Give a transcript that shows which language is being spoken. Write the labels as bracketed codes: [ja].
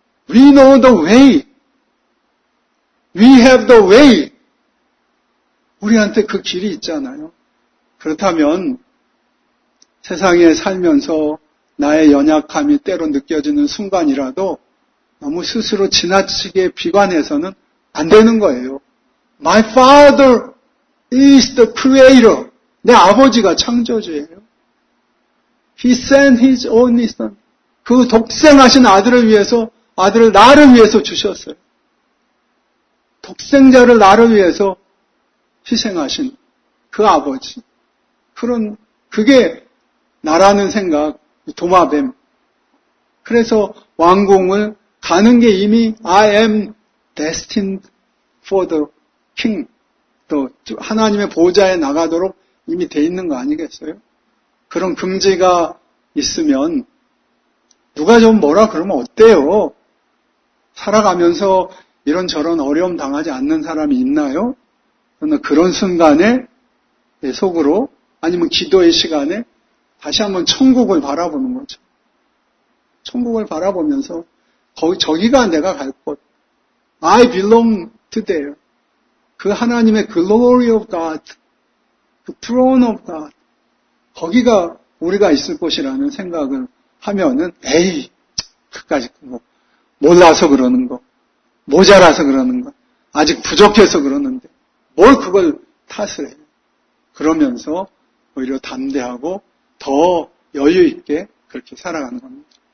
[en] We know the way. We have the way. [ko] 우리한테 그 길이 있잖아요. 그렇다면 세상에 살면서 나의 연약함이 때로 느껴지는 순간이라도 너무 스스로 지나치게 비관해서는 안 되는 거예요. [en] My father is the creator. [ko] 내 아버지가 창조주예요. [en] He sent his only son. [ko] 그 독생하신 아들을 나를 위해서 주셨어요. 독생자를 나를 위해서 희생하신 그 아버지. 그게 나라는 생각, 도마뱀. 그래서 왕궁을 가는 게 이미 [en] I am destined for the king. [ko] 또 하나님의 보좌에 나가도록 이미 돼 있는 거 아니겠어요? 그런 금지가 있으면 누가 좀 뭐라 그러면 어때요? 살아가면서 이런저런 어려움 당하지 않는 사람이 있나요? 그러나 그런 순간에 내 속으로 아니면 기도의 시간에 다시 한번 천국을 바라보는 거죠. 천국을 바라보면서 저기가 내가 갈 곳. [en] I belong to there. [ko] 그 하나님의 [en] glory of God. 그 throne of God. [ko] 거기가 우리가 있을 곳이라는 생각을 하면은 에이, 그까짓 거 몰라서 그러는 거, 모자라서 그러는 거, 아직 부족해서 그러는데 뭘 그걸 탓을 해. 그러면서 오히려 담대하고 더 여유 있게 그렇게 살아가는 겁니다.